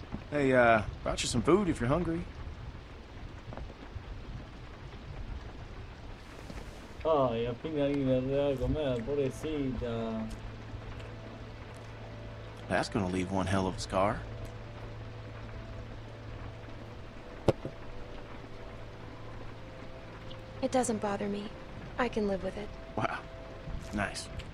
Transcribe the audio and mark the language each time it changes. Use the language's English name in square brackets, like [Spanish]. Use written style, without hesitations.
[English] Hey, brought you some food if you're hungry. [Spanish] Ay, al fin alguien le da a comer, pobrecita. [English] That's gonna leave one hell of a scar. It doesn't bother me. I can live with it. Wow. Nice.